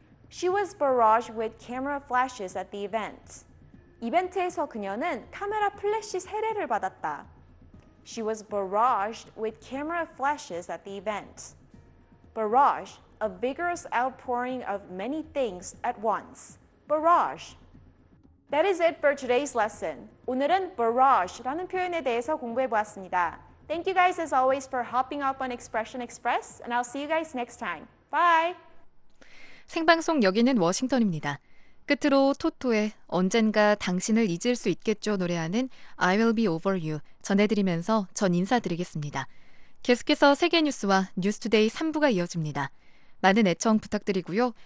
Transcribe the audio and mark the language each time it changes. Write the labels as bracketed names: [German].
[English] She was barraged with camera flashes at the event. [Korean] 이벤트에서 그녀는 카메라 플래시 세례를 받았다. [English] She was barraged with camera flashes at the event. Barrage, a vigorous outpouring of many things at once. Barrage. That is it for today's lesson. [Korean] 오늘은 barrage라는 표현에 대해서 공부해 보았습니다. [English] Thank you guys as always for hopping up on Expression Express, and I'll see you guys next time. Bye! [Korean] 생방송 여기는 워싱턴입니다. 끝으로 토토의 언젠가 당신을 잊을 수 있겠죠 노래하는 [English] I Will Be Over You [Korean] 전해드리면서 전 인사드리겠습니다. 계속해서 세계뉴스와 뉴스투데이 3부가 이어집니다. 많은 애청 부탁드리고요.